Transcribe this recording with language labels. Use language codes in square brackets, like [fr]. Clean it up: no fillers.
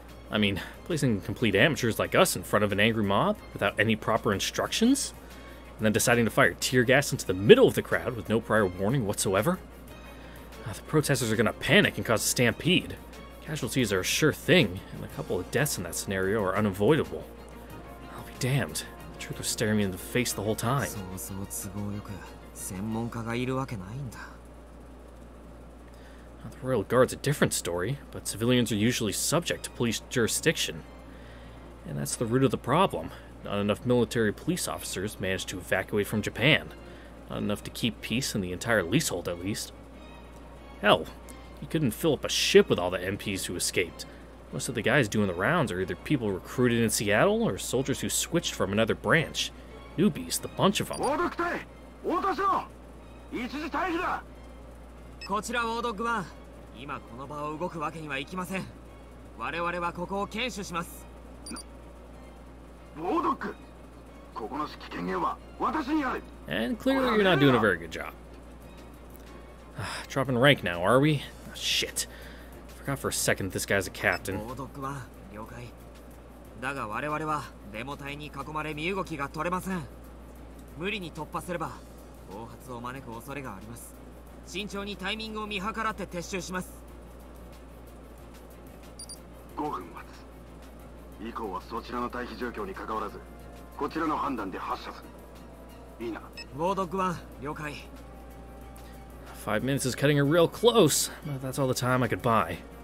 [en] I mean, placing complete amateurs like us in front of an angry mob without any proper instructions, and then deciding to fire tear gas into the middle of the crowd with no prior warning whatsoever. The protesters are gonna panic and cause a stampede. Casualties are a sure thing, and a couple of deaths in that scenario are unavoidable. I'll be damned. Truth was staring me in the face the whole time. [ja] そうそう、都合よく専門家がいるわけないんだ。 [en] Now, the Royal Guard's a different story, but civilians are usually subject to police jurisdiction. And that's the root of the problem. Not enough military police officers managed to evacuate from Japan. Not enough to keep peace in the entire leasehold, at least. Hell, you couldn't fill up a ship with all the MPs who escaped. Most of the guys doing the rounds are either people recruited in Seattle or soldiers who switched from another branch. Newbies, the bunch of them. [ja] Wardog 隊、落とすの。一時退避だ。こちら Wardog 1。今この場を動くわけにはいきません。我々はここを堅守します。 Wardog、ここの指揮権は私にある。 [en] And clearly you're not doing a very good job. Dropping rank now, are we? Shit. I forgot for a second this guy's a captain. [ja] Wardog 1, 了解。だが我々はデモ隊に囲まれ身動きが取れません。無理に突破すれば暴発を招く恐れがあります。慎重にタイミングを見計らって撤収します。 5分待つ。以降はそちらの待避状況に関わらず、こちらの判断で発射する。いいな。ウォードグワン、了解。 [en] 5 minutes is cutting it real close, but that's all the time I could buy.